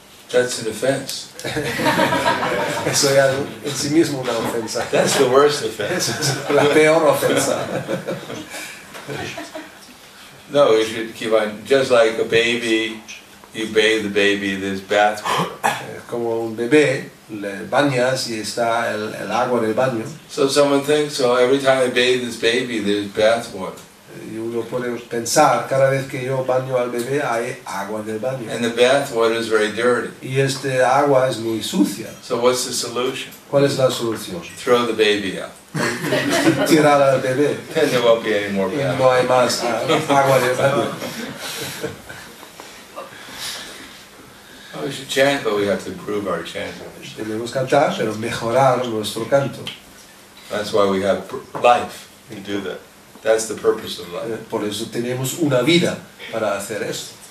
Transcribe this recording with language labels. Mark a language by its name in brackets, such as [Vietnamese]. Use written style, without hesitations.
[English] That's an offense. [Spanish] Eso ya en sí mismo una ofensa. [English] That's the worst offense. [Spanish] La peor ofensa. [English] No, you should keep on. Just like a baby, you bathe the baby, there's bath water. [Spanish] como un bebé, le bañas y está el agua en el baño. [English] So someone thinks, so every time I bathe this baby, there's bath water. [Spanish] Y uno puede pensar, cada vez que yo baño al bebé, hay agua en el baño. [English] And the bath water is very dirty. [Spanish] Y este agua es muy sucia. [English] So what's the solution? [Spanish] ¿Cuál es la solución? [English] Throw the baby out. [Spanish] Tirar al bebé. [English] And there won't be any more bath. [Spanish] Y no hay más agua en el baño. [English] We should chant, but we have to improve our chant. [Spanish] Debemos cantar, pero mejorar nuestro canto. [English] That's why we have life to do that. That's the purpose of life. [Spanish] Por eso tenemos una vida para hacer esto.